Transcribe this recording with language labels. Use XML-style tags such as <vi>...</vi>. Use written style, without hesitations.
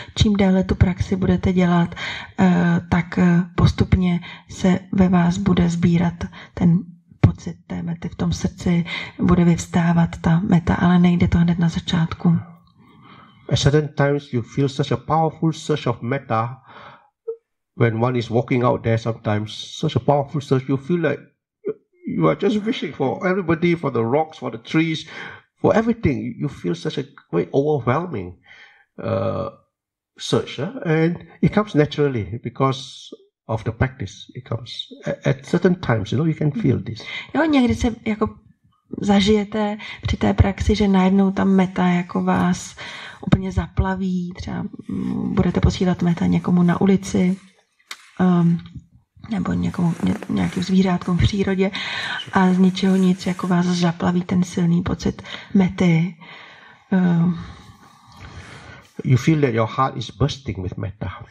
<cs>Čím déle tu praxi budete dělat, tak postupně se ve vás bude sbírat ten pocit té mety v tom srdci, bude vyvstávat ta meta, ale nejde to hned na začátku.</cs> <en>At certain times you feel such a powerful surge of meta when one is walking out there sometimes, such a powerful surge, you feel like you are just wishing for everybody, for the rocks, for the trees, for everything. You feel such a great overwhelming search. Eh? And it comes naturally because of the practice. It comes at certain times, you know, you can feel this.</en> <cs>Jo, někdy se jako zažijete při té praxi, že najednou ta meta jako vás úplně zaplaví. Třeba budete posílat meta někomu na ulici. Nebo nějakým zvířátkům v přírodě, a z ničeho nic jako vás zaplaví ten silný pocit mety.</cs> <en>You feel that your heart is bursting with metta.</en>